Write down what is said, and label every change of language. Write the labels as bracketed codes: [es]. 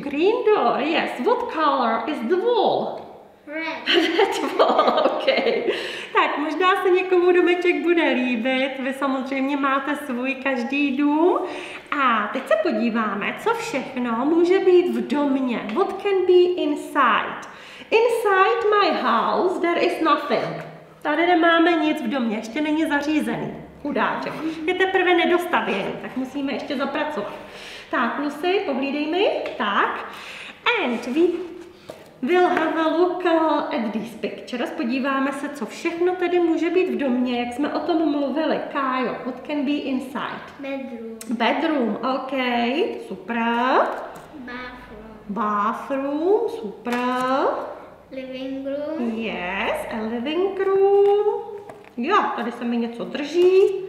[en] Green door, yes. What color is the wall? Red. Red wall, OK. [cs] Tak, možná se někomu domeček bude líbit. Vy samozřejmě máte svůj každý dům. A teď se podíváme, co všechno může být v domě. [en] What can be inside? Inside my house there is nothing. [cs] Tady nemáme nic v domě, ještě není zařízený. Chudáček. Je teprve nedostavěný, tak musíme ještě zapracovat. Tak, Lucy, pohlídej mi. Tak. [en] And we will have a look at these pictures. [cs] Podíváme se, co všechno tedy může být v domě, jak jsme o tom mluvili. [en] Kájo, what can be inside? Bedroom. Bedroom, OK. Super. Bathroom. Bathroom, super. Living room. Yes, a living room. [cs] Jo, tady se mi něco drží.